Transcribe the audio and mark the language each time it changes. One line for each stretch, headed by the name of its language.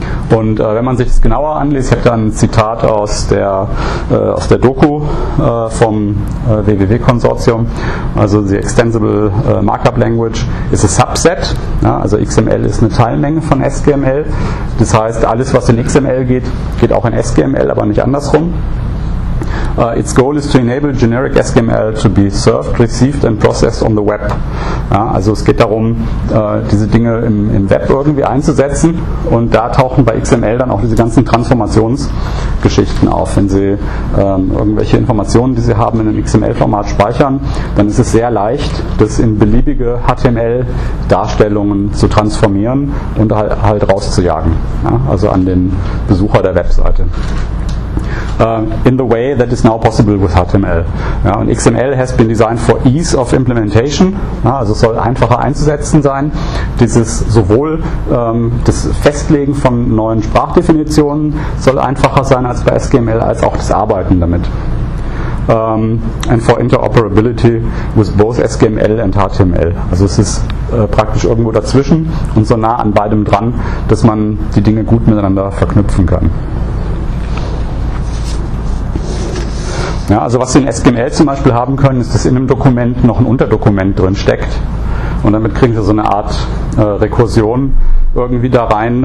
German: Und wenn man sich das genauer anliest, ich habe da ein Zitat aus der Doku vom WWW-Konsortium, also the Extensible Markup Language ist ein Subset, ja, also XML ist eine Teilmenge von SGML, das heißt, alles was in XML geht, geht auch in SGML, aber nicht andersrum.
English: Its goal is to enable generic SGML to be served, received and processed on the web.
German: Ja, also es geht darum, diese Dinge im Web irgendwie einzusetzen und da tauchen bei XML dann auch diese ganzen Transformationsgeschichten auf. Wenn Sie irgendwelche Informationen, die Sie haben, in einem XML-Format speichern, dann ist es sehr leicht, das in beliebige HTML-Darstellungen zu transformieren und halt rauszujagen, ja, also an den Besucher der Webseite.
English: In the way that is now possible with HTML.
German: Ja, und XML
English: has been designed for ease of implementation,
German: ja, also es soll einfacher einzusetzen sein. Dieses sowohl das Festlegen von neuen Sprachdefinitionen soll einfacher sein als bei SGML, als auch das Arbeiten damit.
English: And for interoperability with both SGML and HTML.
German: Also es ist praktisch irgendwo dazwischen und so nah an beidem dran, dass man die Dinge gut miteinander verknüpfen kann. Ja, also was Sie in SGML zum Beispiel haben können, ist, dass in einem Dokument noch ein Unterdokument drin steckt und damit kriegen Sie so eine Art Rekursion irgendwie da rein.